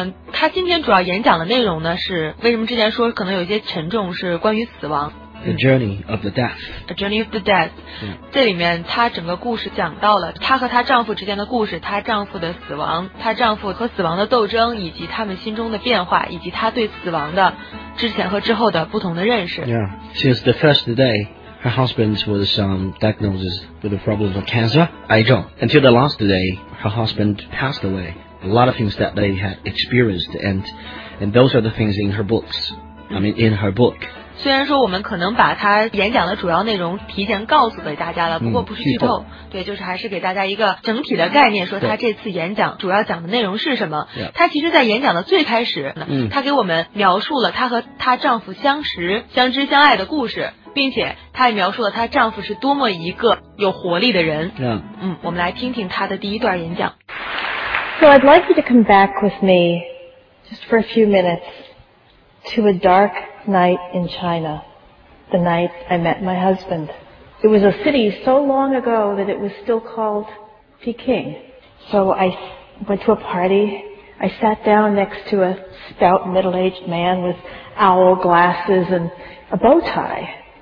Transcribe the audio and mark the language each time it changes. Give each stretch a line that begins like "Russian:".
Chinese: 他今天主要演讲的内容呢，是为什么之前说可能有些沉重，是关于死亡。
English: The Journey of the Death。 A Journey of the Death。
Chinese: 这里面他整个故事讲到了他和他丈夫之间的故事，他丈夫的死亡，他丈夫和死亡的斗争，以及他们心中的变化，以及他对死亡的之前和之后的不同的认识。
English: Since the first day, her husband was diagnosed with a problem of cancer, 癌症。 Until the last day, her husband passed away. A lot of things that they had experienced, and those are the things in her books. In her book。
Chinese: 虽然说我们可能把他演讲的主要内容提前告诉给大家了，不过不是剧透，对，就是还是给大家一个整体的概念，说他这次演讲主要讲的内容是什么。他其实在演讲的最开始呢，他给我们描述了他和他丈夫相知相爱的故事，并且他也描述了他丈夫是多么一个有活力的人。我们来听听他的第一段演讲。
English: So I'd like you to come back with me just for a few minutes to a darkNight in China, the night I met my husband. It was a city so long ago that it was still called Peking. So I went to a party. I sat down next to a stout middle-aged man with owl glasses and a bow tie.